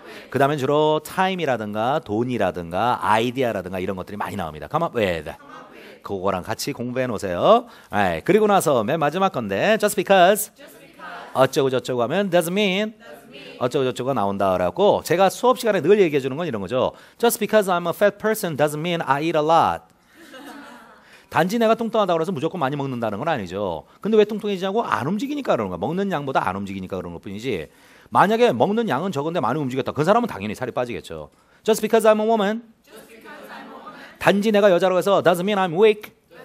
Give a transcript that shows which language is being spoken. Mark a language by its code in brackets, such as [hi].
[ko] 그 다음에 주로 time이라든가 돈이라든가 idea라든가 이런 것들이 많이 나옵니다. [en] Come up with. [ko] 그거랑 같이 공부해 놓으세요. Right. 그리고 나서 맨 마지막 건데 just because. 어쩌고 저쩌고 하면 doesn't mean 어쩌고 저쩌고가 나온다 그래갖고 제가 수업 시간에 늘 얘기해 주는 건 이런 거죠. [en] Just because I'm a fat person doesn't mean I eat a lot. [ko] 단지 내가 뚱뚱하다고 해서 무조건 많이 먹는다는 건 아니죠. 근데 왜 뚱뚱해지냐고? 안 움직이니까 그런 거야. 먹는 양보다 안 움직이니까 그런 것뿐이지. 만약에 먹는 양은 적은데 많이 움직였다. 그 사람은 당연히 살이 빠지겠죠. [en] Just because I'm a woman. [ko] 단지 내가 여자로 해서 [en] doesn't mean I'm weak.